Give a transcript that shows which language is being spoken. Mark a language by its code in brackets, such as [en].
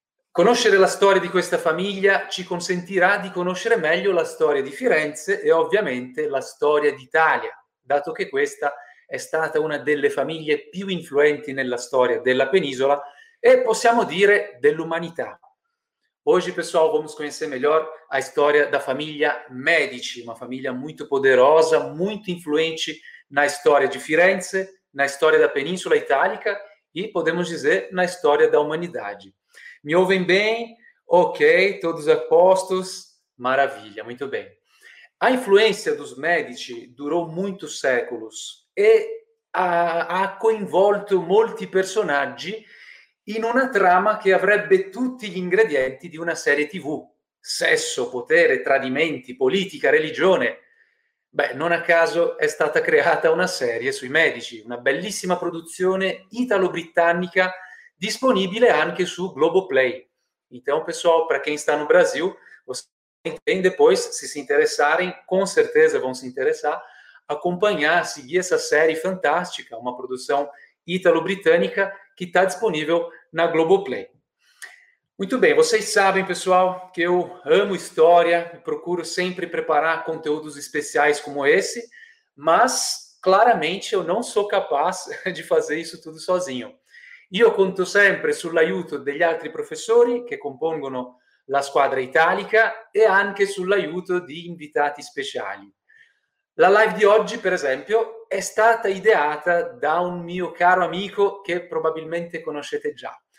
[it] Conoscere la storia di questa famiglia ci consentirà di conoscere meglio la storia di Firenze e ovviamente la storia d'Italia, dato che questa è stata una delle famiglie più influenti nella storia della penisola e possiamo dire dell'umanità. [pt] Oggi, pessoal, vamos conhecer melhor a história da família Medici, uma família muito poderosa, muito influente na história de Firenze, na história da Península Itálica e, podemos dizer, na história da humanidade. Me ouvem bem? Ok, todos a postos? Maravilha, muito bem. A influência dos Medici durou muitos séculos [it] e ha coinvolto molti personaggi in una trama che avrebbe tutti gli ingredienti di una serie TV. Sesso, potere, tradimenti, politica, religione. Beh, non a caso è stata creata una serie sui Medici, una bellissima produzione italo-britannica disponibile anche su Globoplay. [pt] Então, pessoal, para quem está no Brasil, vocês depois, se si interessarem, com certeza vão se interessar, acompanhar, seguir essa série fantástica, uma produção italo-britânica que está disponível na Globoplay. Muito bem, vocês sabem, pessoal, que eu amo história, procuro sempre preparar conteúdos especiais como esse, mas claramente eu não sou capaz de fazer isso tudo sozinho. [it] Io conto sempre sull'aiuto degli altri professori che compongono la squadra italica e anche sull'aiuto di invitati speciali. La live di oggi, per esempio, è stata ideata da un mio caro amico che probabilmente conoscete già.